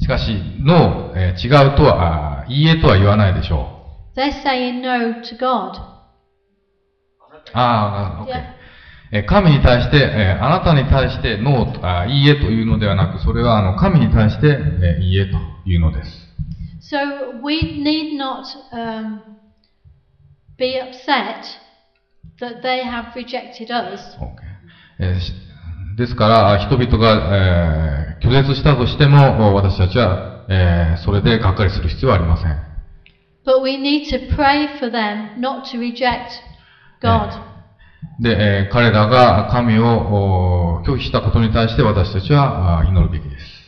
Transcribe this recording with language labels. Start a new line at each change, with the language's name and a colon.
Japanese: しかし、no、違うとは、いいえとは言わないでしょう。
English: They're saying no to God.
Japanese: ああ、okay.、Yeah. 神に対して、あなたに対してノーと、いいえというのではなく、それは神に対して、いいえというのです。
English: So we need not, be upset that they have rejected us. Okay.
Japanese: ですから、人々が、拒絶したとしても、私たちは、それでがっかりする必要はありません。
English: But we need to pray for them not to reject God.
Japanese: で、彼らが神を拒否したことに対して私たちは祈るべきです。